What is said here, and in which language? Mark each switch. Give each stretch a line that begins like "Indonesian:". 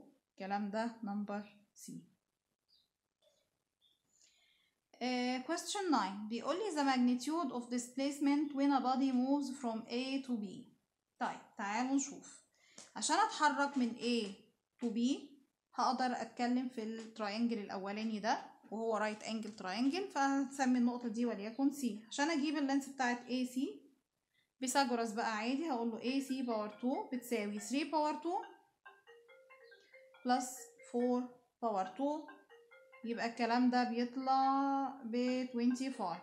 Arabic: الكلام ده number C.
English: question 9
Arabic: بيقول لي
English: the magnitude of displacement when a body moves from A to B.
Arabic: طيب تعالوا نشوف، عشان اتحرك من A to B هقدر اتكلم في التراينجل الاولاني ده وهو رايت انجل تراينجل، فهنسمي النقطه دي وليكن سي. عشان اجيب اللينس بتاعت اي سي بيثاغورس بقى عادي هقول له اي سي باور 2 بتساوي 3 باور 2 بلس 4 باور 2، يبقى الكلام ده بيطلع ب 25.